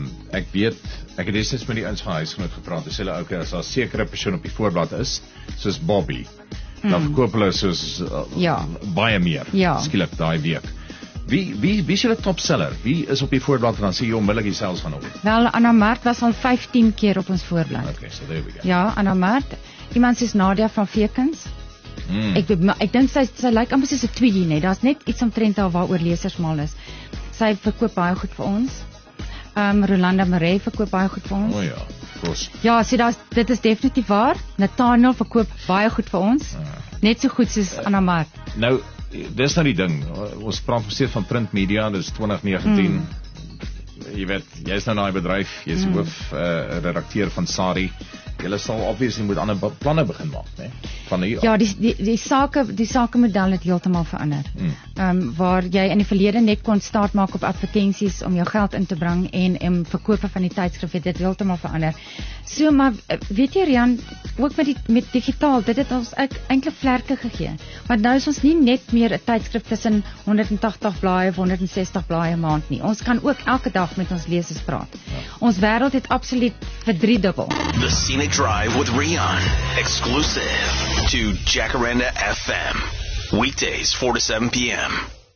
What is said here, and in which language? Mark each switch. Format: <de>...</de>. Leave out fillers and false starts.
<af>Ek weet, ek het destyds met die inskrywingsgenoot gepraat, dis hulle okay, as daar 'n sekere persoon op die voorblad is, soos Bobby, dan verkoop hulle soos baie meer, skielik daai week. Wie is jy die topseller? Wie is op die voorblad en dan sê jy onmiddellik jouself gaan op? Wel, Anna Mart was al 15 keer op ons voorblad.</af> <en>Okay, so there we go.</en> <af>Ja, Anna Mart. Iemand soos Nadia van Vekens. Mm. Ek dink sy lyk amper soos 'n tweede, nee. Daar's net iets omtrent haar waaroor lesers mal is. Sy verkoop baie goed vir ons. Rolanda Marais verkoop baie goed vir ons. O ja, kos. Ja, sê daar's dit is definitief waar. Nathaniel verkoop baie goed vir ons. Ah. Net so goed soos Anna Mart. Nou dis nou die ding, ons praat steeds van print media, dis 2019, jy weet, jy is nou na die bedrijf, jy is hoof redakteur van Sarie, jy sal obviously moet ander plannen begin maak, nee? Van die ja, die sake model het heeltemal verander, waar jy in die verlede net kon start maak op advertenties om jou geld in te bring en verkope van die tydskrif het dit heeltemal verander. So, maar weet jy Rian, ook met digitaal, dit het ons eintlik vlerke gegee. Want nou is ons nie net meer 'n tydskrif tussen 180 blaaie of 160 blaaie maand nie. Ons kan ook elke dag met ons lesers praat. Ja. Ons wêreld het absoluut verdriedubbel.</af> <en>The Scenic Drive with Rian, exclusive to Jacaranda FM. Weekdays 4 to 7 p.m.</en>